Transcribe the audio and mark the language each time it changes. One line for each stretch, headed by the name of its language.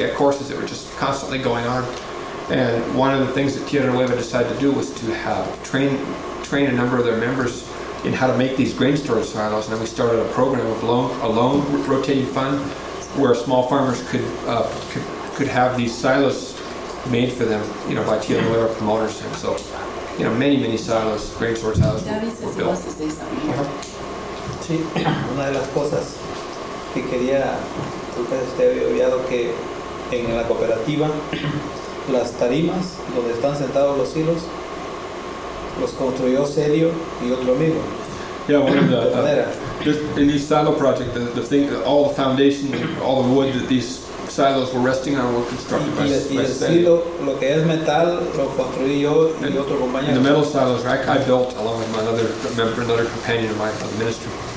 English: We had courses that were just constantly going on. And one of the things that Tierra Nueva decided to do was to have train a number of their members in how to make these grain storage silos. And then we started a program of a loan rotating fund where small farmers could have these silos made for them, you know, by Tierra Nueva promoters. And so, you know, many, many silos, grain storage silos were built. Daddy says he wants to say something.
Spanish: Sí, una de las cosas que quería tocar usted había olvidado que en la cooperativa las tarimas donde están sentados los hilos los construyó Celio y otro amigo.
English: Yeah, one of the just in this silo project, the thing, all the foundation, all the wood that these silos were resting on were constructed by and the metal silos I built along with my other member, another companion of my ministry.